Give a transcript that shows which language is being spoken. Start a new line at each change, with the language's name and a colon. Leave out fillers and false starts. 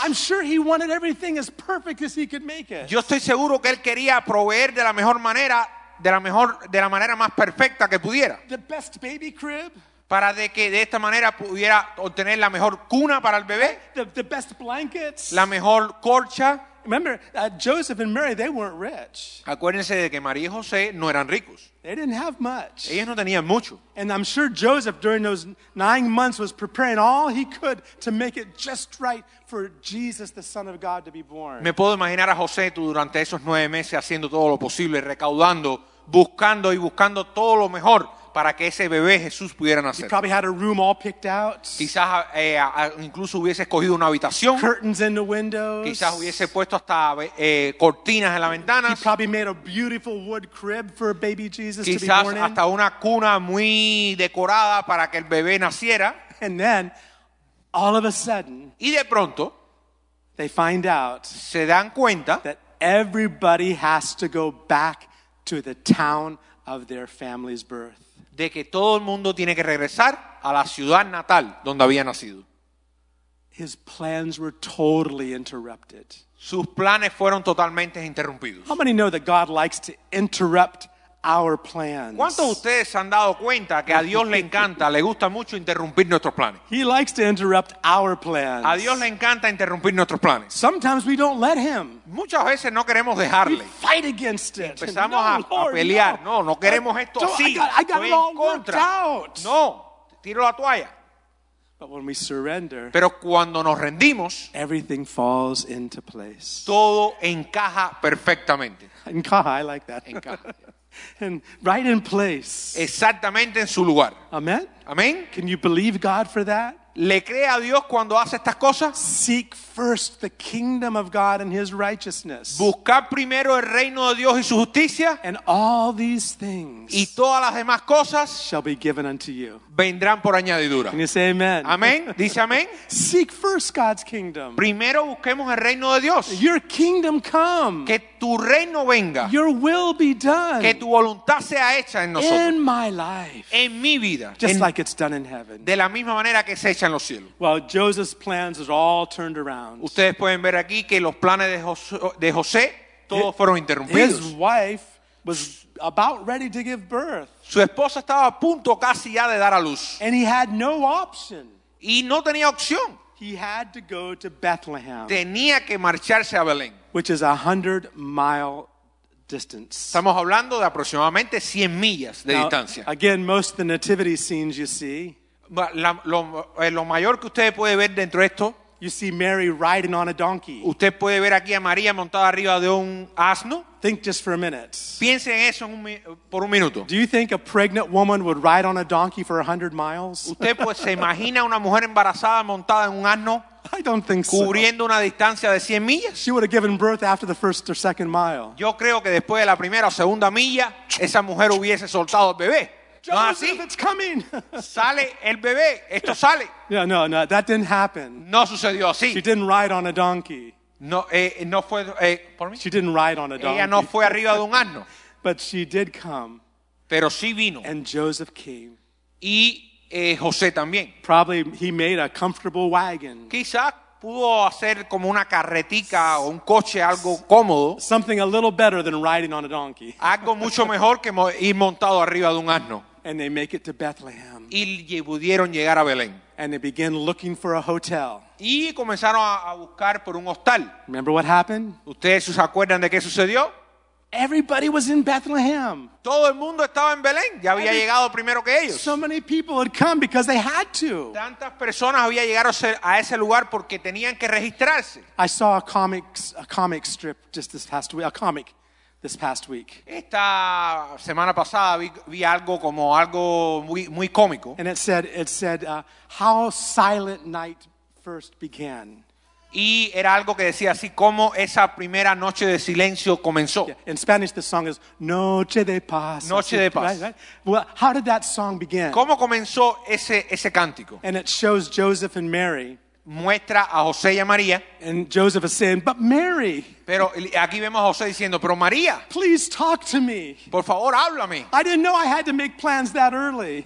English: I'm sure he wanted everything as perfect as he could make it.
Spanish: Yo estoy seguro que él quería proveer de la mejor manera, de la manera más perfecta que pudiera.
English: The best baby crib.
Spanish: Para de que de esta manera pudiera obtener la mejor cuna para el bebé.
English: The best blankets.
Spanish: La mejor corcha.
English: Remember, Joseph and Mary, they weren't rich.
Spanish: Acuérdense de que María y José no eran ricos.
English: They didn't have much.
Spanish: Ellos no tenían mucho.
English: And I'm sure Joseph, during those 9 months, was preparing all he could to make it just right for Jesus, the Son of God, to be born.
Spanish: Me puedo imaginar a José durante esos 9 meses haciendo todo lo posible, recaudando, buscando y buscando todo lo mejor para que ese bebé Jesús pudiera nacer.
English: He probably had a room all picked out.
Spanish: Quizás incluso hubiese escogido una habitación.
English: Curtains in the windows.
Spanish: Quizás hubiese puesto hasta cortinas en la ventana.
English: He probably made a beautiful wood crib for baby Jesus
Spanish: quizás
English: to be born in.
Spanish: Quizás hasta una cuna muy decorada para que el bebé naciera.
English: And then, all of a sudden,
Spanish: y de pronto,
English: they find out,
Spanish: se dan cuenta,
English: that everybody has to go back to the town of their family's birth.
Spanish: De que todo el mundo tiene que regresar a la ciudad natal donde había nacido.
English: His plans were totally interrupted.
Spanish: Sus planes fueron totalmente interrumpidos.
English: How many know that God likes to interrupt our plans?
Spanish: ¿Cuántos de ustedes han dado cuenta que a Dios le encanta, le gusta mucho interrumpir nuestros planes?
English: He likes to interrupt our plans.
Spanish: A Dios le encanta interrumpir nuestros planes.
English: Sometimes we don't let him.
Spanish: Muchas veces no queremos dejarle.
English: We fight against it.
Spanish: Empezamos a,
English: Lord,
Spanish: a pelear. No, no, no queremos esto así.
English: I got it all worked out.
Spanish: No, tiro la toalla.
English: But when we surrender,
Spanish: pero cuando nos rendimos,
English: everything falls into place.
Spanish: Todo encaja perfectamente.
English: Encaja, I like that.
Spanish: Encaja.
English: And right in place.
Spanish: Exactamente en su lugar. Amen. Amen.
English: Can you believe God for that?
Spanish: ¿Le cree a Dios cuando hace estas cosas?
English: Seek first the kingdom of God and his righteousness.
Spanish: Buscar primero el reino de Dios y su justicia.
English: And all these things.
Spanish: Y todas las demás cosas
English: shall be given unto you.
Spanish: Vendrán por añadidura.
English: Can you say amen? Amen.
Spanish: Dice amen.
English: Seek first God's kingdom.
Spanish: Primero busquemos el reino de Dios.
English: Your kingdom come.
Spanish: Que tu reino venga.
English: Your will be done.
Spanish: Que tu voluntad sea hecha en nosotros.
English: In my life.
Spanish: En mi vida.
English: Just
Spanish: en,
English: like it's done in heaven.
Spanish: De la misma manera que se echa en los cielos.
English: Well, Joseph's plans is all turned around.
Spanish: Ustedes pueden ver aquí que los planes de José todos fueron interrumpidos.
English: His wife was about ready to give birth.
Spanish: Su esposa estaba a punto casi ya de dar a luz.
English: And he had no option.
Spanish: Y no tenía opción.
English: He had to go to Bethlehem.
Spanish: Tenía que marcharse a Belén.
English: Which is 100-mile distance.
Spanish: Estamos hablando de aproximadamente 100 millas de
English: now,
Spanish: distancia.
English: Again, most of the nativity scenes you see.
Spanish: Lo mayor que usted puede ver dentro de esto.
English: You see Mary riding on a donkey.
Spanish: Usted puede ver aquí a María montada arriba de un asno.
English: Think just for a minute.
Spanish: Piense en eso por un minuto.
English: Do you think a pregnant woman would ride on a donkey for 100 miles?
Spanish: ¿Usted pues se imagina una mujer embarazada montada en un asno?
English: I don't think so.
Spanish: Cubriendo una distancia de 100 millas.
English: She would have given birth after the first or second mile.
Spanish: Yo creo que después de la primera o segunda milla, esa mujer hubiese soltado al bebé.
English: Joseph,
Spanish: no, así.
English: It's coming.
Spanish: Sale el bebé. Esto sale.
English: Yeah, no, that didn't happen.
Spanish: No sucedió así.
English: She didn't ride on a donkey.
Spanish: No, no fue. Por mí.
English: She didn't ride on a donkey.
Spanish: Ella no fue arriba de un asno.
English: But she did come.
Spanish: Pero sí vino.
English: And Joseph came.
Spanish: Y José también.
English: Probably he made a comfortable wagon.
Spanish: Quizás pudo hacer como una carretica o un coche algo cómodo.
English: Something a little better than riding on a donkey.
Spanish: Algo mucho mejor que ir montado arriba de un asno.
English: And they make it to Bethlehem.
Spanish: Y pudieron llegar a Belén.
English: And they begin looking for a hotel.
Spanish: Y comenzaron a buscar por un hostal.
English: Remember what happened?
Spanish: ¿Ustedes se acuerdan de qué sucedió?
English: Everybody was in Bethlehem.
Spanish: Todo el mundo estaba en Belén. Ya había llegado primero que ellos.
English: So many people had come because they had to.
Spanish: Tantas personas había llegado a ese lugar porque tenían que registrarse.
English: I saw a comic strip just this past week. A comic this past week.
Spanish: Esta semana pasada vi algo como algo muy cómico.
English: And it said how silent night first began.
Spanish: Y era algo que decía así, como esa primera noche de silencio comenzó.
English: In Spanish, the song is Noche de Paz.
Spanish: Noche de Paz.
English: Right, right? Well, how did that song begin?
Spanish: ¿Cómo comenzó ese cántico?
English: And it shows Joseph and Mary.
Spanish: Muestra a José y a María.
English: And Joseph is saying, but Mary.
Spanish: Pero aquí vemos a José diciendo, pero María.
English: Please talk to me.
Spanish: Por favor, háblame.
English: I didn't know I had to make plans that early.